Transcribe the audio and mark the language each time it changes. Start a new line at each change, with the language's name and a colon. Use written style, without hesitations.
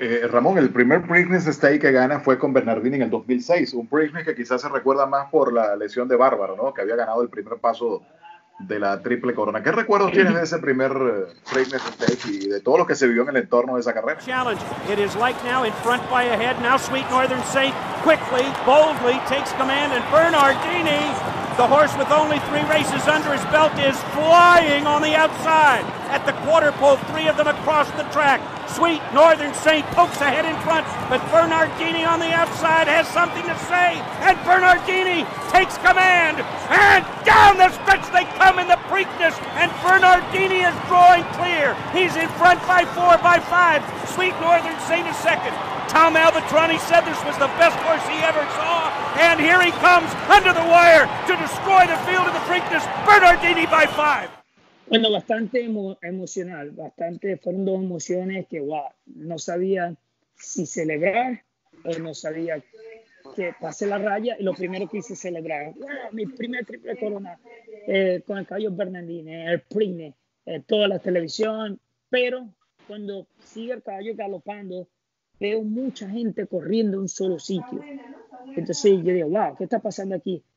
Spanish: Ramón, el primer Preakness State que gana fue con Bernardini en el 2006, un Preakness que quizás se recuerda más por la lesión de Bárbaro, ¿no? Que había ganado el primer paso de la triple corona. ¿Qué recuerdos tienes de ese primer Preakness State y de todo lo que se vivió en el entorno de esa carrera?
English: Challenge. It is like now in front by ahead. Now Sweet Northern Saint quickly, boldly takes command, and Bernardini, the horse with only 3 races under his belt, is flying on the outside at the quarter pole, 3 of them across the track. Sweet Northern Saint pokes ahead in front, but Bernardini on the outside has something to say, and Bernardini takes command, and down the stretch they come in the Preakness, and Bernardini is drawing clear. He's in front by 4, by 5. Sweet Northern Saint is second. Tom Albatroni said this was the best horse he ever saw, and here he comes under the wire to destroy the field of the Preakness, Bernardini by 5.
Spanish: Bueno, bastante emocional, bastante, fueron dos emociones que, wow, no sabía si celebrar o no sabía que pasé la raya, y lo primero que hice celebrar, wow, mi primer triple corona con el caballo Bernardini, el Prime, toda la televisión, pero cuando sigue el caballo galopando, veo mucha gente corriendo en un solo sitio, entonces yo digo, wow, ¿qué está pasando aquí?